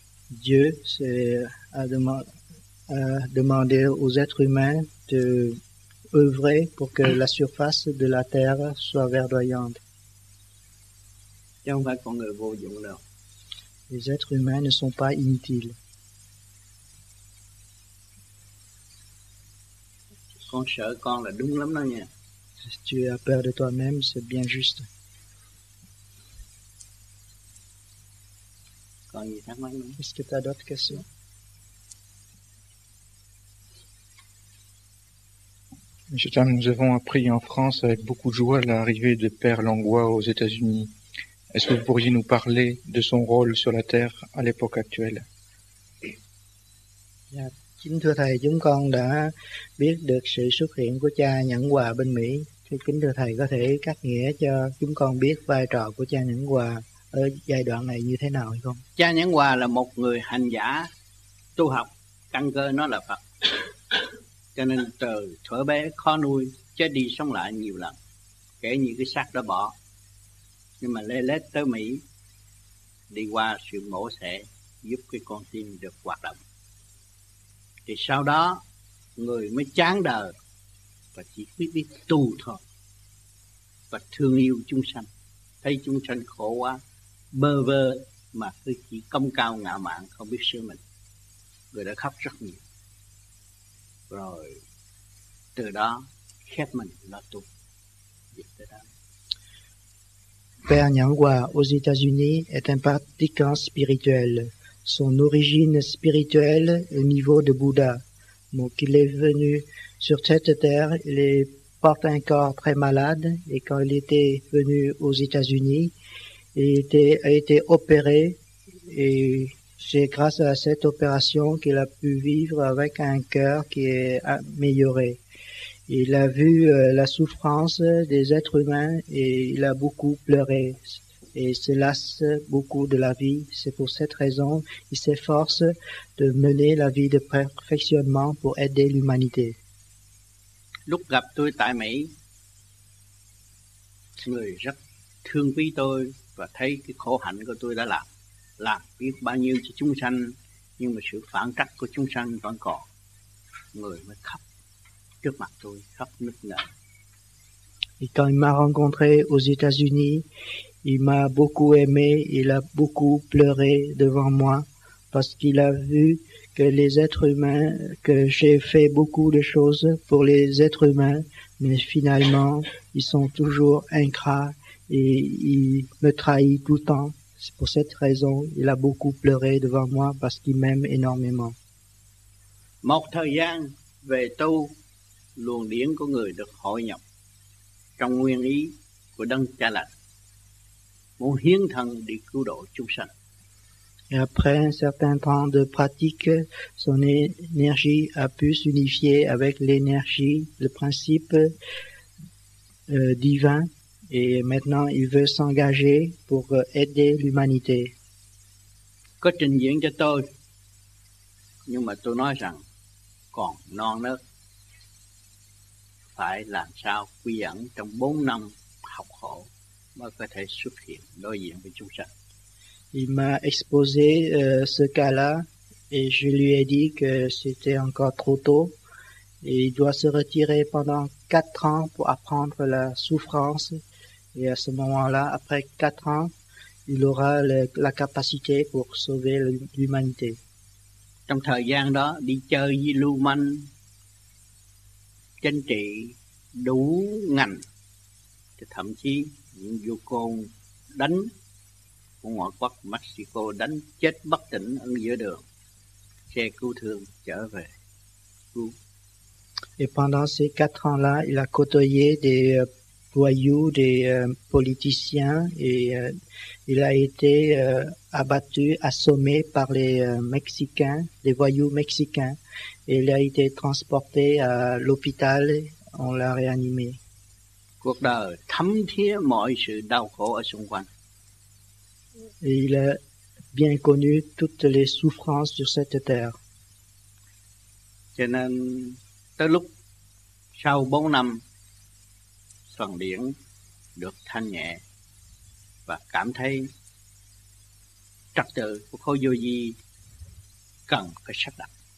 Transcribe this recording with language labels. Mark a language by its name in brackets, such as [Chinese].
[French] Dieu a demandé aux êtres humains de œuvrer pour que la surface de la terre soit verdoyante. Les êtres humains ne sont pas inutiles. [Vietnamese] Con sợ con là đúng lắm đó nha. [French] Si tu as peur de toi-même, c'est bien juste. [Vietnamese] Còn gì thắc mắc nữa? [French] Est-ce que tu as d'autres questions? Monsieur Tam, nous avons appris en France avec beaucoup de joie l'arrivée de Père Langlois aux États-Unis. Est-ce que vous pourriez nous parler de son rôle sur la Terre à l'époque actuelle? [English] Yeah. [Vietnamese] Kính thưa Thầy, chúng con đã biết được sự xuất hiện của cha Nhẫn Hòa bên Mỹ. Kính thưa Thầy có thể cắt nghĩa cho chúng con biết vai trò của cha Nhẫn Hòa ở giai đoạn này như thế nào hay không? Cha Nhẫn Hòa là một người hành giả tu học, căn cơ nó là Phật. Cho nên từ thuở bé khó nuôi, chết đi sống lại nhiều lần, kể như cái xác đã bỏ. Nhưng mà lê lết tới Mỹ, đi qua sự mổ xẻ giúp cái con tim được hoạt động. Thì sau đó người mới chán đời và chỉ biết đi tu thôi và thương yêu chúng sanh, thấy chúng sanh khổ quá bơ vơ mà cứ chỉ công cao ngạo mạn không biết sửa mình, người đã khóc rất nhiều, rồi từ đó khép mình lo tu. [French] Père Nhẫn Hòa aux États-Unis est un pratiquant spirituel. Son origine spirituelle est au niveau de Bouddha. Donc, il est venu sur cette terre, il porte un corps très malade, et quand il était venu aux États-Unis, il a été opéré, et c'est grâce à cette opération qu'il a pu vivre avec un cœur qui est amélioré. Il a vu la souffrance des êtres humains et il a beaucoup pleuré. et se lasse beaucoup de la vie. C'est pour cette raison qu'il s'efforce de mener la vie de perfectionnement pour aider l'humanité. [Vietnamese] Lúc gặp tôi tại Mỹ, người rất thương quý tôi và thấy cái khổ hạnh của tôi đã làm biết bao nhiêu cho chúng sanh, nhưng mà sự phản trắc của chúng sanh vẫn còn. Người mới khóc trước mặt tôi, khóc nức nở. [French] Et quand il m'a rencontré aux États-Unis, il m'a beaucoup aimé, il a beaucoup pleuré devant moi parce qu'il a vu que les êtres humains, que j'ai fait beaucoup de choses pour les êtres humains, mais finalement, ils sont toujours ingrats et ils me trahissent tout le temps. C'est pour cette raison qu'il a beaucoup pleuré devant moi parce qu'il m'aime énormément. [Vietnamese] Một thời gian về tu, luồng điển của người được hội nhập trong nguyên ý của Đấng Cha Lành, muốn hiến thân đi cứu độ chúng sanh. [French] Et après un certain temps de pratique, son énergie a pu s'unifier avec l'énergie, le principe divin, et maintenant il veut s'engager pour aider l'humanité. [Vietnamese] Có trình diễn cho tôi, nhưng mà tôi nói rằng còn non nớt, phải làm sao quy ẩn trong 4 năm học khổ mới có thể xuất hiện đối diện với chúng sanh. [French] Il m'a exposé ce cas-là et je lui ai dit que c'était encore trop tôt et il doit se retirer pendant 4 ans pour apprendre la souffrance et à ce moment-là, après 4 ans, il aura la capacité pour sauver l'humanité. [Vietnamese] Trong thời gian đó, đi chơi với lưu manh, chính trị đủ ngành, thậm chí những vô côn đánh của ngoại quốc Mexico đánh chết bất tỉnh ở giữa đường, xe cứu thương trở về cứu. [French] Et pendant ces 4 ans-là, il a côtoyé des voyous, des politiciens, et il a été abattu, assommé par les Mexicains, les voyous mexicains, et il a été transporté à l'hôpital, on l'a réanimé. [Vietnamese] Cuộc đời thấm thía mọi sự đau khổ ở xung quanh. [French] Et il a bien connu toutes les souffrances sur cette terre. [Vietnamese] Cho nên, tới lúc sau 4 năm, phần điển được thanh nhẹ và cảm thấy trật tự của khối vô vi cần phải sắp đặt.